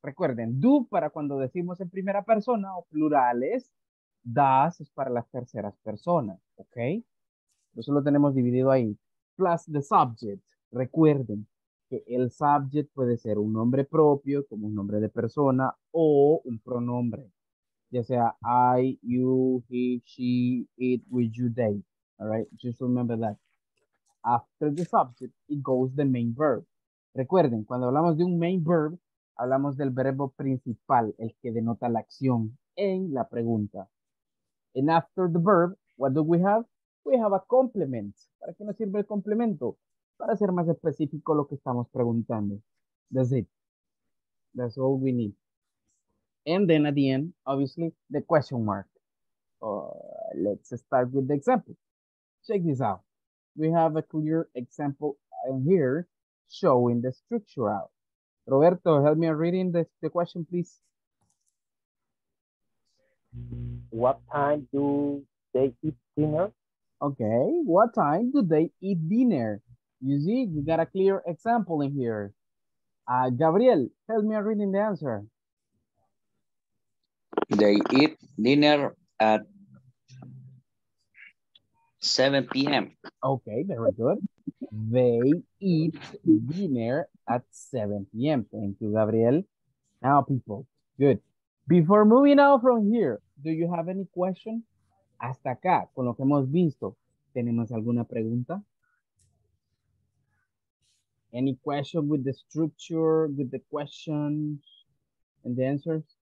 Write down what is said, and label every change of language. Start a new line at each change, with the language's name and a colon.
Spanish: Recuerden, do para cuando decimos en primera persona o plurales. Does es para las terceras personas, ¿ok? Eso lo tenemos dividido ahí.
English: Plus the subject.
Spanish: Recuerden que el subject puede ser un nombre propio, como un nombre de persona, o un pronombre. Ya sea
English: I, you, he, she, it, with you, they. All right, just remember that. After the subject, it goes the main verb.
Spanish: Recuerden, cuando hablamos de un main verb, hablamos del verbo principal, el que denota la acción en la pregunta.
English: And after the verb, what do we have? We have a complement.
Spanish: ¿Para qué nos sirve el complemento? Para ser más específico lo que estamos preguntando.
English: That's it. That's all we need. And then at the end, obviously, the question mark. Let's start with the example. Check this out. We have a clear example here showing the structure out. Roberto, help me reading the question, please. What time do they eat dinner? Okay, what time do they eat dinner? You see, we got a clear example in here. Gabriel, help me read in the answer. They eat dinner at 7 p.m. Okay, very good. They eat dinner at 7 p.m. Thank you, Gabriel. Now, people, good. Before moving out from here, do you have any question?
Spanish: Hasta acá, con lo que hemos visto, ¿tenemos alguna pregunta?
English: Any question with the structure, with the questions and the answers?